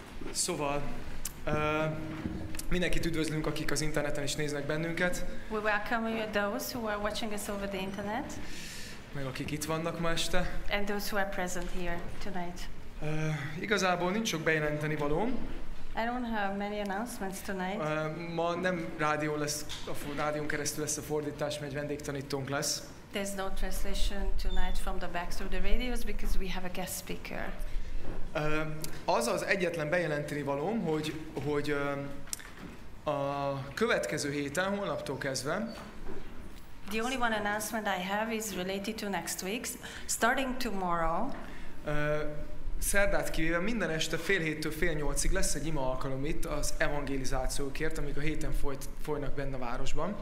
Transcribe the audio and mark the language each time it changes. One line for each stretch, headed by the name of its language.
Hungarian: Szóval, mindenkit üdvözlünk, akik az interneten is néznek bennünket.
English: We welcome you, those who are watching us over the internet.
Hungarian: meg akik itt vannak ma este.
English: And those who are present here tonight.
Hungarian: Igazából nincs sok bejelenteni valóm.
English: I don't have many announcements tonight.
Hungarian: Ma nem rádió lesz, a rádión keresztül lesz a fordítás, mert egy vendégtanítónk lesz.
English: There's no translation tonight from the back through the radios because we have a guest speaker.
Hungarian: Az az egyetlen bejelenteni valóm, hogy a következő héten, holnaptól kezdve.
English: The only one announcement I have is related to next week, starting tomorrow.
Hungarian: Szerdát kivéve minden este 7:30-8 lesz egy ima alkalom itt az evangelizációkért, amik a héten folynak benne a városban.